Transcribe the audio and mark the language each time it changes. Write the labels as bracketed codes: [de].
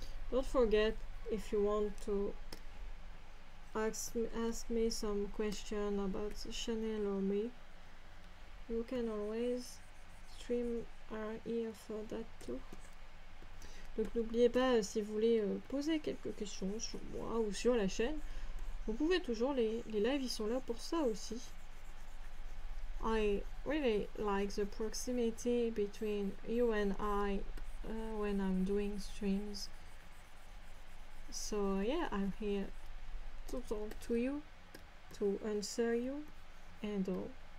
[en] Don't forget, if you want to ask me some question about Chanel or me, you can always stream here for that too. [fr] Donc n'oubliez pas, si vous voulez poser quelques questions sur moi ou sur la chaîne, vous pouvez toujours, les lives ils sont là pour ça aussi. [en] I really like the proximity between you and I when I'm doing streams. So yeah, I'm here to talk to you, to answer you and all.